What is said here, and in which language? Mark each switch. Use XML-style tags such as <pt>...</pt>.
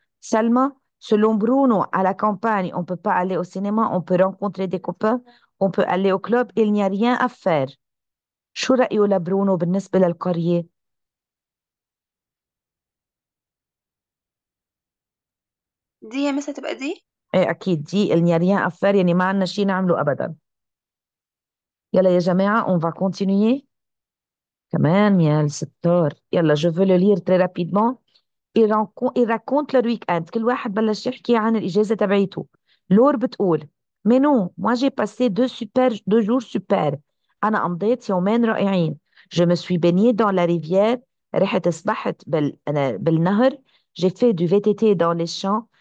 <fr>سلمى Selon Bruno, à la campagne, on ne peut pas aller au cinéma, on peut rencontrer des copains, on peut aller au club, il n'y a rien à faire.</fr> <ar>شو رأيه لبرونو بالنسبة للقرية؟ دي هي مثلا تبقى دي إيه أكيد دي،</ar> <fr>il n'y a rien à faire،</fr> <ar>يعني ما عندنا شيء نعمله أبدا. يلا يا جماعة،</ar> <fr>on va continuer.</fr> <ar>كمان يا الستار. يلا،</ar> <fr>je veux le lire très rapidement. Il raconte leur week-end.</fr> <ar>كل واحد بلش يحكي عن الإجازة تبعيته. لور بتقول</ar> <fr>Mais non, moi j'ai passé deux jours super.</fr> <ar>أنا أمضيت يومين رائعين.</ar> <fr>Je me suis baignée dans la rivière.</fr> <ar>رحت سبحت بالنهر.</ar> <fr>J'ai fait du VTT dans les champs.</fr>